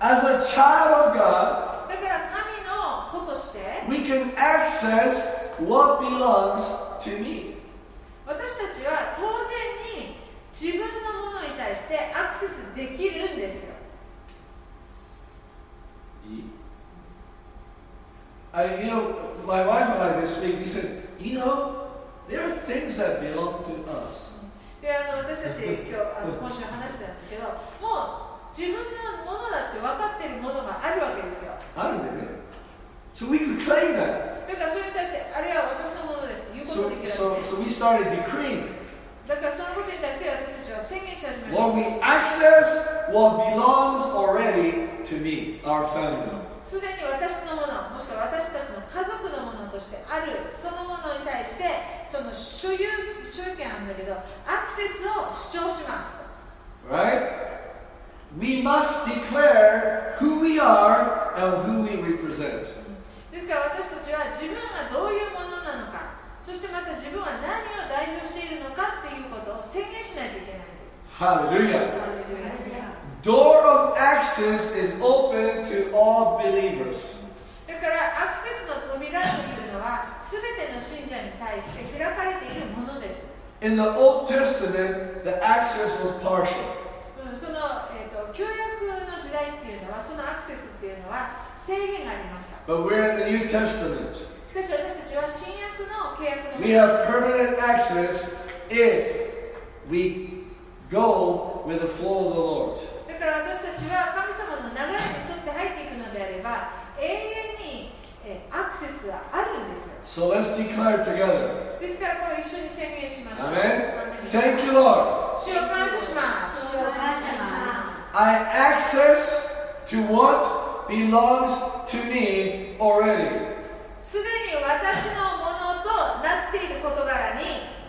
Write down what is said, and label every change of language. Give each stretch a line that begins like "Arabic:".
English: As a child of God,
Japanese: だから神の子として
English: We can access what belongs to me.
Japanese: 私たちは当然に自分のものに対してアクセスできるんですよ。いい?
English: I, you know, my wife and I this week, we said, you know, there are things that belong to us.
Japanese: で、私たち今週話してたんですけど、もう自分のものだって分かっているものがあるわけですよ。あるんだよね。
English: So we can claim that.
Japanese: だからそれに対して、あれは私のものですと
English: So we started decreeing. Lord, we access what belongs already to me, our family.
Japanese: すでに私のもの、もしくは私たちの家族のものとしてあるそのものに対して、その所有権なんだけど、アクセスを主張します。
English: Right? We must declare who we are and who we represent.
Japanese: ですから私たちは自分がどういうものなのか、そしてまた自分は何を代表しているのかっていうことを宣言しないといけないんです。
English: Hallelujah! Door of access is open to all believers.
Japanese: だからアクセスの扉というのは全ての信者に対して開かれているものです。
English: In the Old Testament, the access was partial.
Japanese: その、旧約の時代というのはそのアクセスというのは制限がありました。
English: But we're in the New Testament.
Japanese: しかし私たちは新約の契約の中で、
English: We have permanent access if we go with the flow of the Lord.
Japanese: だから私たちは神様の流れに沿って入っていくのであれば永遠にアクセスはあるんですよ。
English: So let's declare together.
Japanese: ですからこれ一緒に宣言しましょう。
English: Amen. Thank you, Lord.
Japanese: 主を感謝します。主を感謝します。
English: I access to what belongs to me already.
Japanese: すでに私のものとなっている事柄に。